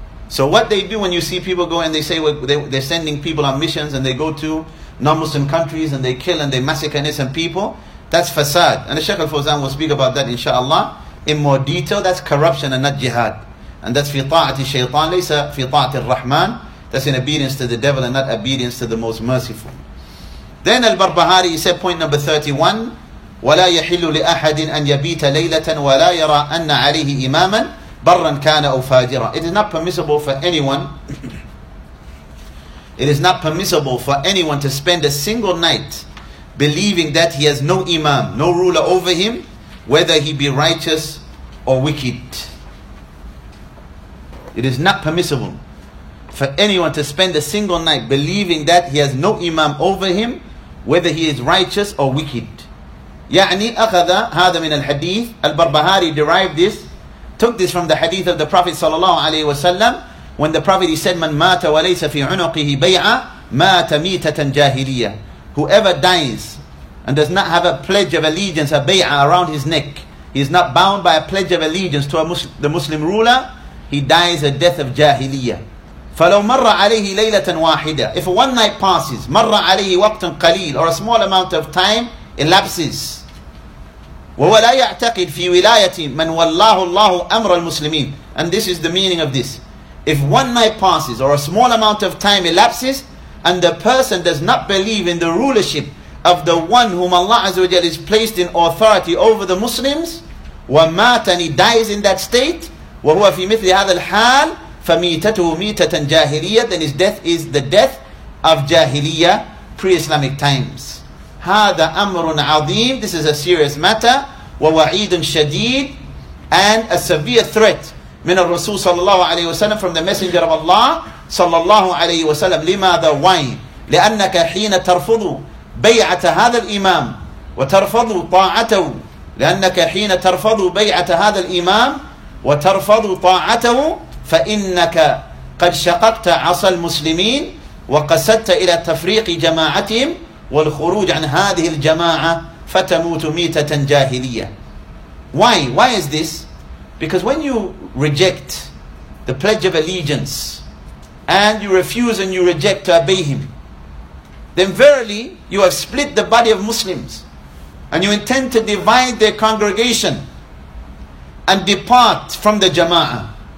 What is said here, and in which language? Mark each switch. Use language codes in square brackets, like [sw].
[en] So what they do when you see people go and they say they're sending people on missions and they go to non-Muslim countries and they kill and they massacre innocent people, that's fasad. And the Shaykh al-Fawzan will speak about that inshaAllah in more detail. That's corruption and not jihad. And that's [ar] fi ta'ati shaytan, laysa fi ta'ati al-Rahman. [en] That's in obedience to the devil and not obedience to the most merciful. Then al-Barbahari, he said point number 31, [ar] وَلَا يَحِلُّ لِأَحَدٍ أَنْ يَبِيتَ لَيْلَةً وَلَا يَرَى أَنَّ عَلَيْهِ إِمَامًا بَرًّا كَانَ أَوْ فَاجِرًا. [en] It is not permissible for anyone. It is not permissible for anyone to spend a single night believing that he has no imam, no ruler over him, whether he be righteous or wicked. It is not permissible for anyone to spend a single night believing that he has no imam over him, whether he is righteous or wicked. [ar] يعني أخذ هذا من الحديث. [en] البربهاري derived this, took this from the hadith of the Prophet صلى الله عليه وسلم, when the Prophet, he said, [ar] من مات وليس في عنقه بيعة مات ميتة جاهلية. [en] Whoever dies and does not have a pledge of allegiance, a بيعة around his neck, he is not bound by a pledge of allegiance to the Muslim ruler, he dies a death of جاهلية. [ar] فلو مر عليه ليلة واحدة, [en] if one night passes, [ar] مر عليه وقت قليل, [en] or a small amount of time elapses, [ar] وهو لا يعتقد في ولاية من والله الله أمر المسلمين. [en] And this is the meaning of this. If one night passes or a small amount of time elapses and the person does not believe in the rulership of the one whom Allah Azza wa Jalla is placed in authority over the Muslims, [ar] ومات, [en] and he dies in that state, [ar] وهو في مثل هذا الحال فميتته ميتة جاهلية, [en] then his death is the death of جاهلية, pre-Islamic times. [ar] هذا أمر عظيم. [en] This is a serious matter. [ar] ووعيد شديد, [en] and a severe threat [ar] من الرسول [en] صلى الله عليه وسلم, from the messenger of Allah صلى الله عليه وسلم. [ar] لماذا؟ [en] Why? [ar] لأنك حين ترفض بيعة هذا الإمام وترفض طاعته, لأنك حين ترفض بيعة هذا الإمام وترفض طاعته, فإنك قد شققت عصا المسلمين وقصدت إلى تفريق جماعتهم والخروج عن هذه الجماعة فتموت ميتة جاهلية. [en] Why? Why is this? Because when you reject the pledge of allegiance and you refuse and you reject to obey him, then verily you have split the body of Muslims and you intend to divide their congregation and depart from the jama'ah.